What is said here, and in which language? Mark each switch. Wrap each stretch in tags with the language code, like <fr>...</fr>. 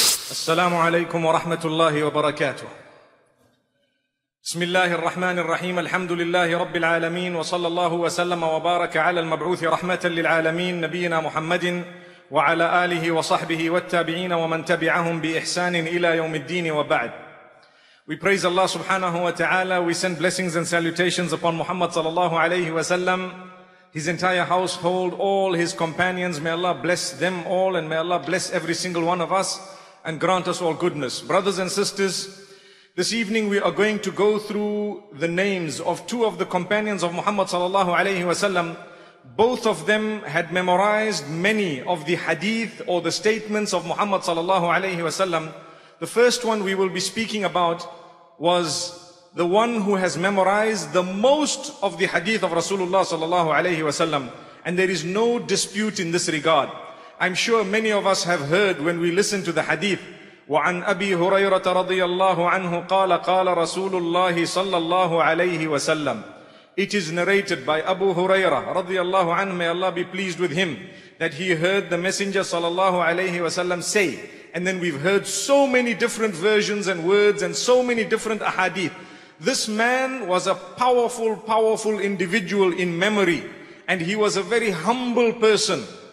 <ar>السلام عليكم ورحمة الله وبركاته. بسم الله الرحمن الرحيم. الحمد لله رب العالمين، وصلى الله وسلم وبارك على المبعوث رحمة للعالمين نبينا محمد وعلى آله وصحبه والتابعين ومن تبعهم بإحسان إلى يوم الدين وبعد.</ar> <en>We praise Allah subhanahu wa ta'ala. We send blessings and salutations upon Muhammad sallallahu alayhi wa sallam, his entire household, all his companions. May Allah bless them all, and may Allah bless every single one of us and grant us all goodness. Brothers and sisters, this evening we are going to go through the names of two of the companions of Muhammad sallallahu alayhi wa sallam. Both of them had memorized many of the hadith or the statements of Muhammad sallallahu alayhi wa sallam. The first one we will be speaking about was the one who has memorized the most of the hadith of Rasulullah sallallahu alayhi wa sallam, and there is no dispute in this regard. I'm sure many of us have heard when we listen to the hadith.</en> <ar>وعن أبي هريرة رضي الله عنه قال قال رسول الله صلى الله عليه وسلم.</ar> <en>It is narrated by Abu Huraira</en> <ar>رضي الله عنه,</ar> <en>may Allah be pleased with him, that he heard the Messenger</en> <ar>صلى الله عليه وسلم</ar> <en>say. And then we've heard so many different versions and words and so many different ahadith. This man was a powerful, powerful individual in memory, and he was a very humble person.</en>